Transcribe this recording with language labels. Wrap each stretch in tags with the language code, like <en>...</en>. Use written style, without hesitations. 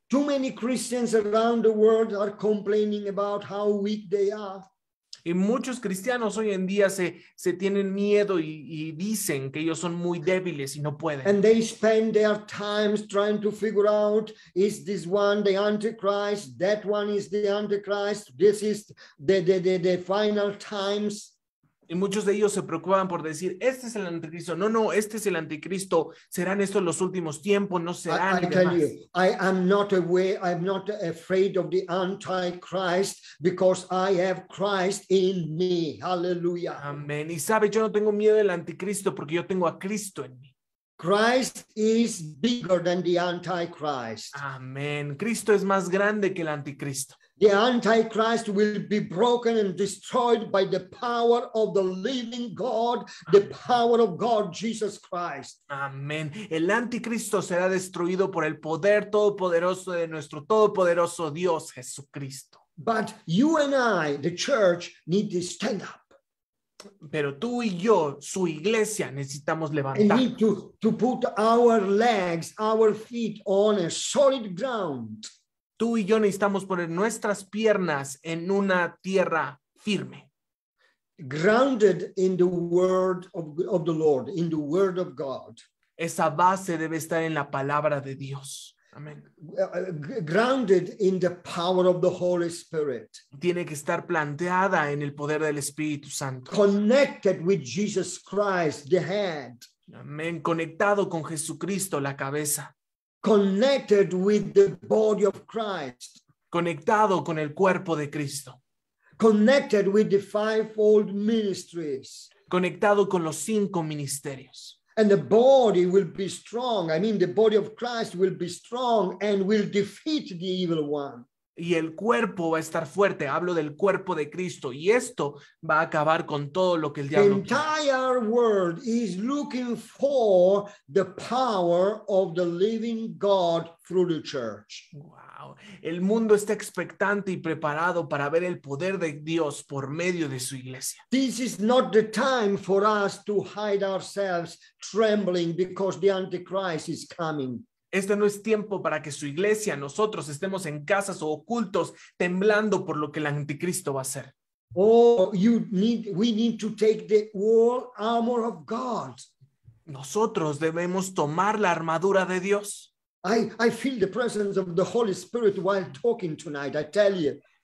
<en>Too many Christians around the world are complaining about how weak they are.</en> <es>Y muchos cristianos hoy en día se tienen miedo y dicen que ellos son muy débiles y no pueden.</es> <en>And they spend their times trying to figure out, is this one the Antichrist? That one is the Antichrist. This is the final times.</en> <es>Y muchos de ellos se preocupan por decir, este es el anticristo. No, este es el anticristo. ¿Serán estos los últimos tiempos? No serán.</es> <en>I tell you, I am not aware, I'm not afraid of the Antichrist because I have Christ in me. Hallelujah.</en> <es>Amén. Y sabe, yo no tengo miedo del anticristo porque yo tengo a Cristo en mí.</es> <en>Christ is bigger than the Antichrist.</en> <es>Amén. Cristo es más grande que el anticristo.</es> <en>The Antichrist will be broken and destroyed by the power of the living God, the power of God, Jesus Christ.</en> <es>Amén. El anticristo será destruido por el poder todopoderoso de nuestro todopoderoso Dios, Jesucristo.</es> <en>But you and I, the church, need to stand up.</en> <es>Pero tú y yo, su iglesia, necesitamos levantar.</es> <en>We need to put our legs, our feet on a solid ground.</en> <es>Tú y yo necesitamos poner nuestras piernas en una tierra firme.</es> <en>Grounded in the word of the Lord, in the word of God.</en> <es>Esa base debe estar en la palabra de Dios. Amén.</es> <en>Grounded in the power of the Holy Spirit.</en> <es>Tiene que estar planteada en el poder del Espíritu Santo.</es> <en>Connected with Jesus Christ, the head.</en> <es>Amén. Conectado con Jesucristo, la cabeza.</es> <en>Connected with the body of Christ.</en> <es>Conectado con el cuerpo de Cristo.</es> <en>Connected with the fivefold ministries.</en> <es>Conectado con los cinco ministerios.</es> <en>And the body will be strong. I mean, the body of Christ will be strong and will defeat the evil one.</en> <es>Y el cuerpo va a estar fuerte. Hablo del cuerpo de Cristo. Y esto va a acabar con todo lo que el diablo quiere.</es> <en>The entire world is looking for the power of the living God through the church. Wow.</en> <es>El mundo está expectante y preparado para ver el poder de Dios por medio de su iglesia.</es> <en>This is not the time for us to hide ourselves trembling because the Antichrist is coming.</en> <es>Este no es tiempo para que su iglesia, nosotros, estemos en casas o ocultos, temblando por lo que el anticristo va a hacer.</es> <en>Oh, we need to take the whole armor of God.</en> <es>Nosotros debemos tomar la armadura de Dios.</es> <en>I feel the presence of the Holy Spirit while talking tonight, I tell you.</en>